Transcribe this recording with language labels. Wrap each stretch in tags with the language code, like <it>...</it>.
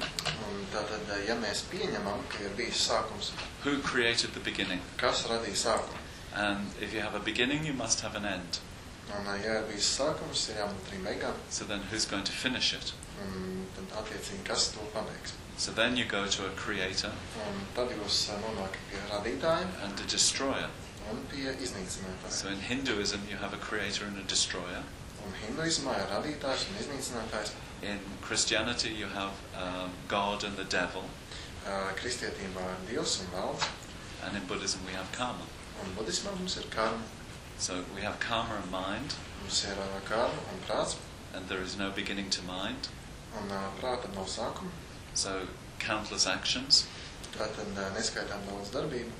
<lv>tad, ja mēs pieņemam, ka ir bijis sākums,</lv> <en>who created the beginning?</en> <lv>Kas radīja sākumu?</lv> <en>And if you have a beginning, you must have an end.</en> <lv>Un, ja ir bijis sākums, ir jābūt arī beigām.</lv> <en>So then, who's going to finish it?</en> <lv>Tad, attiecīgi, kas to pabeigs?</lv> <en>So then you go to a creator.</en> <lv>Un tad jūs nonāk pie radītājiem.</lv> <en>And a destroyer.</en> <lv>Un pie iznīcinātājiem.</lv> <en>So in Hinduism you have a creator and a destroyer.</en> <lv>Un hinduismā ir radītājs un iznīcinātājs.</lv> <en>In Christianity you have God and the devil.</en> <lv>Kristietībā ir Dievs un vēls.</lv> <en>And in Buddhism we have karma.</en> <lv>Un budismā mums ir karma.</lv> <en>So we have karma and mind.</en> <lv>Mums ir karma un prāts.</lv> <en>and there is no beginning to mind.</en> <lv>Un prāta nav sākuma.</lv> <en>So countless actions.</en> <lv>Tātad neskaitām daudz darbību.</lv>